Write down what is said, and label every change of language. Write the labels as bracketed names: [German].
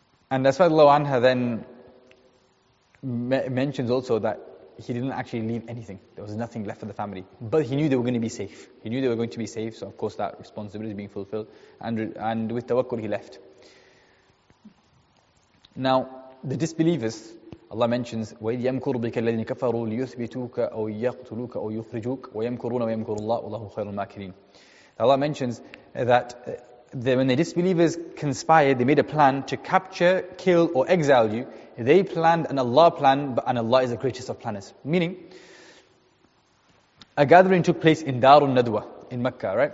[English] And Asma radiallahu anha then mentions also that he didn't actually leave anything. There was nothing left for the family. But he knew they were going to be safe. He knew they were going to be safe. So of course that responsibility is being fulfilled. And with tawakkul he left. [Arabic] Now, the disbelievers, Allah mentions, وَإِذْ يَمْكُرُ بِكَ الَّذِينَ كَفَرُوا لِيُثْبِتُوكَ أَوْ يَقْتُلُوكَ أَوْ يُخْرِجُوكَ وَيَمْكُرُونَ وَيَمْكُرُ اللَّهُ وَاللَّهُ خَيْرُ الْمَاكِرِينَ. [English] Allah mentions that when the disbelievers conspired, they made a plan to capture, kill, or exile you. They planned and Allah planned, but and Allah is the greatest of planners. Meaning, a gathering took place in Darul Nadwa, in Mecca, right?